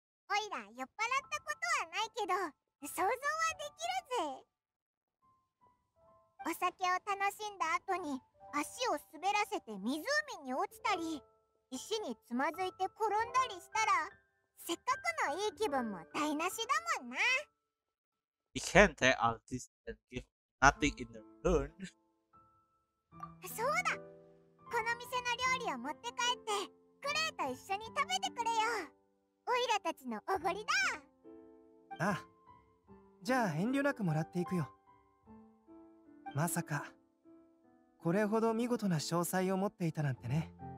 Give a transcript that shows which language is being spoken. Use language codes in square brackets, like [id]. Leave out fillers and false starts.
[ja] オイラ酔っ払ったことはないけど想像はできるぜ。お酒を楽しんだ後に足を滑らせて湖に落ちたり、石につまずいて転んだりしたら、せっかくのいい気分も台無しだもんな。 [en] We can't take all this and give nothing in return. [ja] そうだ、この店の料理を持って帰ってクレイと一緒に食べてくれよ。オイラたちのおごりだ。ああ、じゃあ遠慮なくもらっていくよ。まさかこれほど見事な詳細を持っていたなんてね。